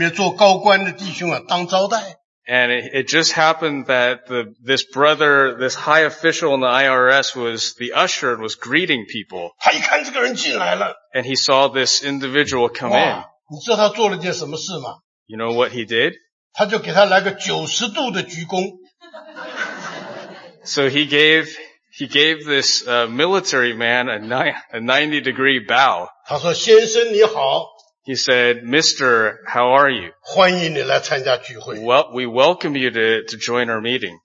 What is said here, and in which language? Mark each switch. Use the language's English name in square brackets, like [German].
[Chinese] 正好碰到我们这个弟兄啊，这个在IRS里面做高官的弟兄啊，当招待。 [English] And it just happened that this brother, this high official in the IRS was the usher and was greeting people. [Chinese] 他一看这个人进来了, [English] and he saw this individual come 哇, in. [Chinese] 你知道他做了件什么事吗? [English] You know what he did? [Chinese] 他就给他来个90度的鞠躬。 [English] So he gave this military man a 90 degree bow. [Chinese] 他说先生你好。 [English] He said, Mr., how are you? Well, we welcome you to join our meeting.